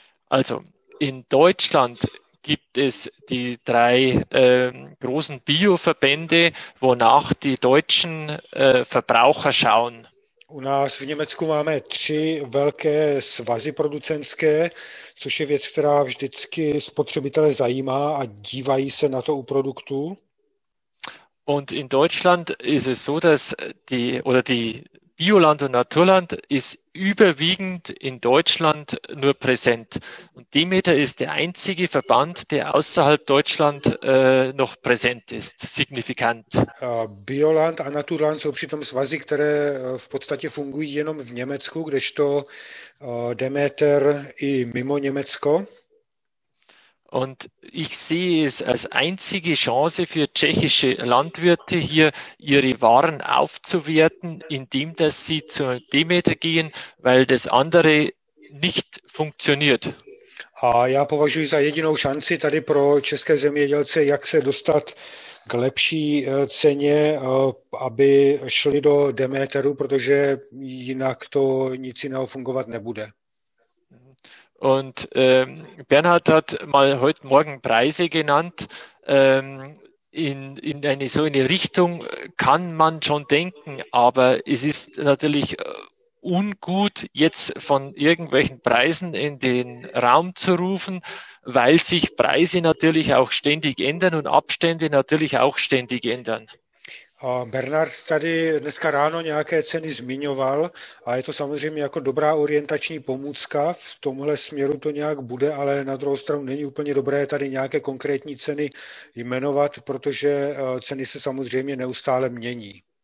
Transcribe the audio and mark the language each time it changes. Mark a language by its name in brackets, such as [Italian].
[German] Also, in Deutschland gibt es die drei großen Bioverbände, wonach die deutschen Verbraucher schauen. [Czech] U nás v Německu máme tři velké svazy producentské, což je věc, která vždycky spotřebitele zajímá a dívají se na to u produktů. [German] Und in Deutschland ist es so, dass die Bioland und Naturland ist überwiegend in Deutschland nur präsent. Und Demeter ist der einzige Verband, der außerhalb Deutschland noch präsent ist, signifikant. [Czech] Bioland a Naturland jsou přitom svazy, které v podstatě fungují jenom v Německu, kdežto Demeter i mimo Německo. [German] Und ich sehe es als einzige Chance für tschechische Landwirte hier, ihre Waren aufzuwerten, indem dass sie zu Demeter gehen, weil das andere nicht funktioniert. [Czech] A já považuji za jedinou šanci tady pro české zemědělce, jak se dostat k lepší ceně, aby šli do Demeteru, protože jinak to nic jiného fungovat nebude. [German] Und Bernhard hat mal heute Morgen Preise genannt. In eine Richtung kann man schon denken, aber es ist natürlich ungut, jetzt von irgendwelchen Preisen in den Raum zu rufen, weil sich Preise natürlich auch ständig ändern und Abstände natürlich auch ständig ändern. [Czech] Bernard tady dneska ráno nějaké ceny zmiňoval a je to samozřejmě jako dobrá orientační pomůcka. V tomhle směru to nějak bude, ale na druhou stranu není úplně dobré tady nějaké konkrétní ceny jmenovat, protože ceny se samozřejmě neustále mění.